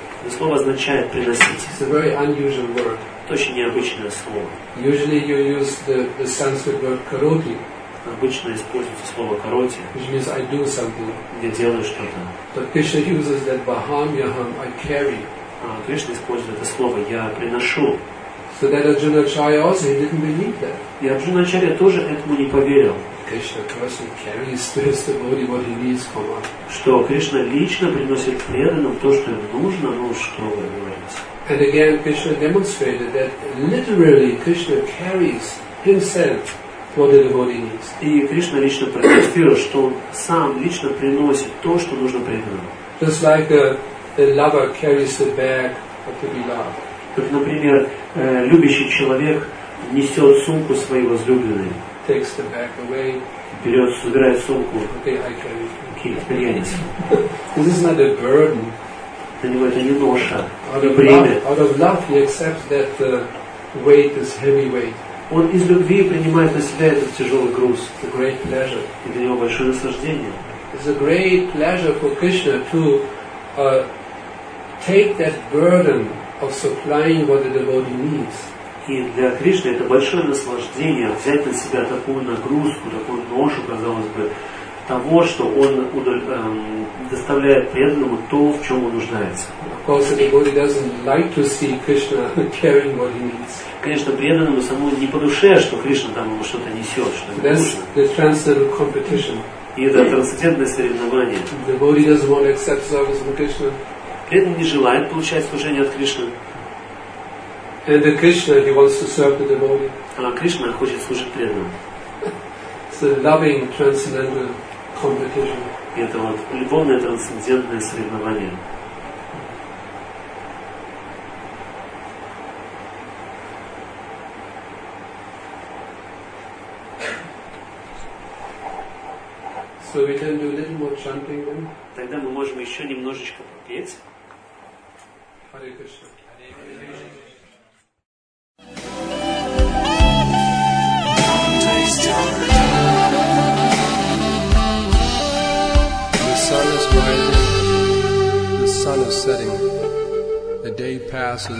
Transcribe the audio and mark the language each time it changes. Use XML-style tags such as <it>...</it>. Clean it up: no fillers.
<ru>Это слово означает «приносить».</ru> <en>It's a very unusual word.</en> <ru>Это очень необычное слово.</ru> <en>Usually you use the Sanskrit word «кароти».</en> <ru>Обычно используется слово «кароти».</ru> <en>Which means «I do something».</en> <ru>«Я делаю что-то».</ru> <en>But Krishna uses that «бахам-яхам» «I carry».</en> <ru>Кришна использует это слово «я приношу».</ru> <en>So that Arjunacharya also, he didn't believe that.</en> <ru>И Арджуначарья тоже этому не поверил.</ru> <en>Krishna personally carries to his devotee what he needs from us.</en> <ru>Что Кришна лично приносит преданным то, что ему нужно, ну что вы говорите.</ru> <en>And again, Krishna demonстrated that literally Krishna carries himself what the devotee needs.</en> <ru>И Кришна лично продемонстрировал, что он сам лично приносит то, что нужно преданному.</ru> <en>Just like a lover carries the bag of the beloved.</en> <ru>Как, например, любящий человек несет сумку своей возлюбленной.</ru> <en>Takes the bag away.</en> <ru>Берет, собирает сумку.</ru> <en>Okay,</en> <ru>теперь я несу.</ru> <en>This is not a burden.</en> <ru>Для него это не ноша, не бремя.</ru> <en>Out of love, he accepts that the weight is heavy weight.</en> <ru>Он из любви принимает на себя этот тяжелый груз.</ru> <en>It's a great pleasure.</en> <ru>И для него большое наслаждение.</ru> <en>It's a great pleasure for Krishna to take that burden of supplying what the devotee needs.</en> <ru>И для Кришны это большое наслаждение взять на себя такую нагрузку, такую ношу, казалось бы, того, что он доставляет преданному то, в чем он нуждается.</ru> <en>Of course, the devotee doesn't like to see Krishna carrying what he needs.</en> <ru>Конечно, преданному самому не по душе, что Кришна там ему что-то несет, что ему нужно.</ru> <en>That's the transcendental competition.</en> <ru>И это трансцендентное соревнование.</ru> <en>The devotee doesn't want to accept service from Krishna.</en> <ru>Преданный не желает получать служение от Кришны.</ru> <en>And the Krishna, he wants to serve the devotee.</en> <ru>А Кришна хочет служить преданному.</ru> <en>So loving transcendental competition.</en> <ru>И это вот любовное трансцендентное соревнование.</ru> <en>So we can do a little more chanting then.</en> <ru>Тогда мы можем еще немножечко попеть.</ru> <en>The sun is rising, the sun is setting, the day passes and is lost. Don't waste your time,</en>